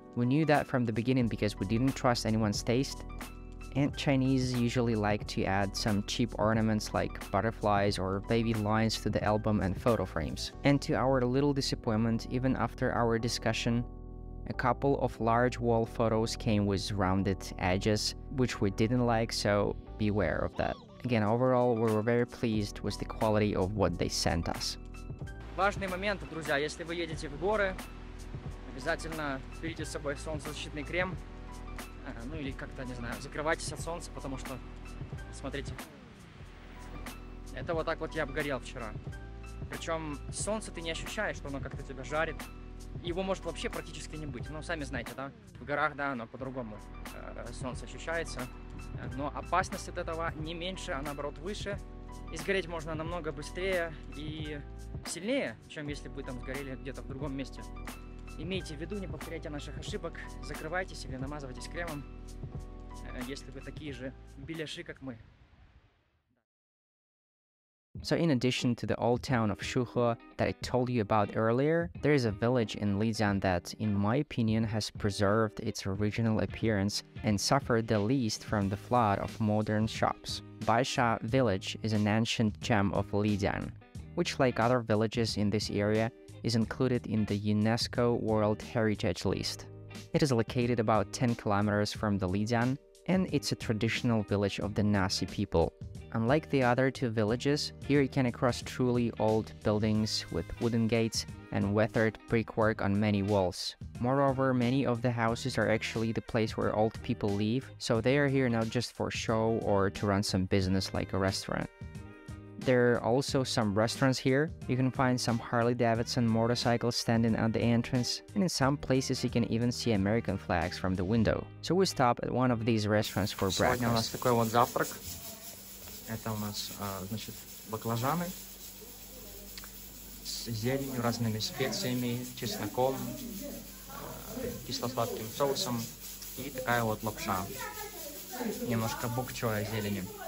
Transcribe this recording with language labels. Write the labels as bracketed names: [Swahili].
[English] We knew that from the beginning because we didn't trust anyone's taste, and Chinese usually like to add some cheap ornaments like butterflies or baby lines to the album and photo frames. And to our little disappointment, even after our discussion, a couple of large wall photos came with rounded edges, which we didn't like, so beware of that. Again, overall, we were very pleased with the quality of what they sent us. [Russian] Важный момент, друзья, если вы едете в горы, обязательно берите с собой солнцезащитный крем, ну или как-то, не знаю, закрывайтесь от солнца, потому что, смотрите, это вот так вот я обгорел вчера. Причем солнце ты не ощущаешь, что оно как-то тебя жарит. Его может вообще практически не быть, ну сами знаете, да? В горах, да, оно по-другому солнце ощущается. Но опасность от этого не меньше, а наоборот выше. И сгореть можно намного быстрее и сильнее, чем если бы вы там сгорели где-то в другом месте. Имейте в виду, не повторяйте наших ошибок, закрывайтесь или намазывайтесь кремом, если вы такие же беляши, как мы. [English] So in addition to the old town of Shuhe that I told you about earlier, there is a village in Lijiang that, in my opinion, has preserved its original appearance and suffered the least from the flood of modern shops. Baisha village is an ancient gem of Lijiang, which, like other villages in this area, is included in the UNESCO World Heritage List. It is located about 10 kilometers from the Lijiang, and it's a traditional village of the Naxi people. Unlike the other two villages, here you can cross truly old buildings with wooden gates and weathered brickwork on many walls. Moreover, many of the houses are actually the place where old people live, so they are here not just for show or to run some business like a restaurant. There are also some restaurants here. You can find some Harley-Davidson motorcycles standing at the entrance, and in some places you can even see American flags from the window. So we stop at one of these restaurants for breakfast. [Russian] Это у нас, значит, баклажаны с зеленью, разными специями, чесноком, кисло-сладким соусом и такая вот лапша. Немножко бок чоя зелени.